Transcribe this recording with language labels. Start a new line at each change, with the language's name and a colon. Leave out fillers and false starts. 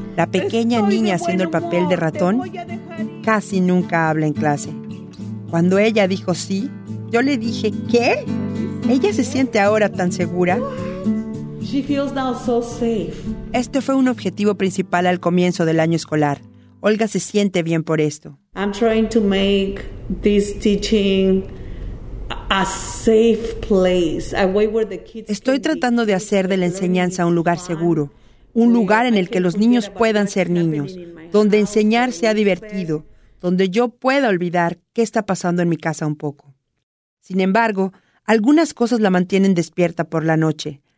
Spanish: La pequeña niña haciendo el papel de ratón casi nunca habla en clase. Cuando ella dijo sí, yo le dije, ¿qué? ¿Ella se siente ahora tan segura?
English: She feels now so safe.
Spanish: Este fue un objetivo principal al comienzo del año escolar. Olga se siente bien por esto.
English: I'm trying to make this teaching a safe place, a way where the kids.
Spanish: Estoy tratando de hacer de la enseñanza un lugar seguro, un lugar en el que los niños puedan ser niños, donde enseñar sea divertido, donde yo pueda olvidar qué está pasando en mi casa un poco. Sin embargo, algunas cosas la mantienen despierta por la noche.